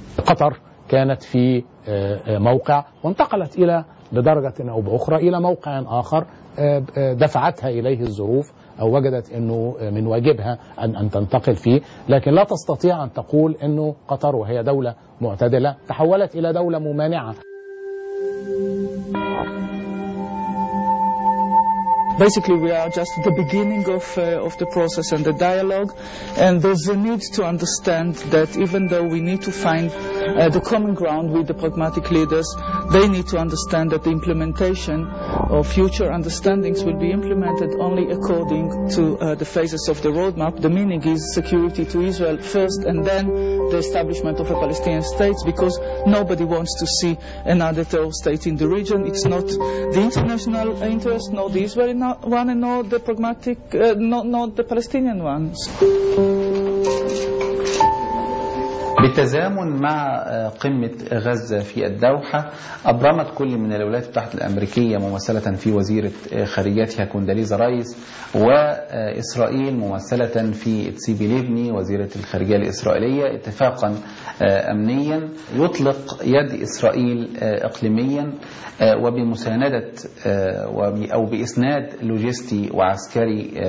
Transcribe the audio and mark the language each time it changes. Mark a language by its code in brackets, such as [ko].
[ar] قطر كانت في موقع وانتقلت إلى بدرجة أو بأخرى إلى موقع آخر دفعتها إليه الظروف، أو وجدت أنه من واجبها أن تنتقل فيه. لكن لا تستطيع أن تقول أنه قطر وهي دولة معتدلة تحولت إلى دولة ممانعة. [en] Basically, we are just at the beginning of the process and the dialogue, and there's a need to understand that even though we need to find the common ground with the pragmatic leaders. They need to understand that the implementation of future understandings will be implemented only according to the phases of the roadmap. The meaning is security to Israel first and then the establishment of a Palestinian state, because nobody wants to see another terror state in the region. It's not the international interest, nor the Israeli one, and nor the pragmatic, not the Palestinian ones. [ar] بالتزامن مع قمة غزة في الدوحة أبرمت كل من الولايات المتحدة الأمريكية ممثلة في وزيرة خارجيتها كونداليزا رايس وإسرائيل ممثلة في تسيبي ليبني وزيرة الخارجية الإسرائيلية اتفاقا أمنيا يطلق يد إسرائيل إقليميا وبمساندة أو بإسناد لوجستي وعسكري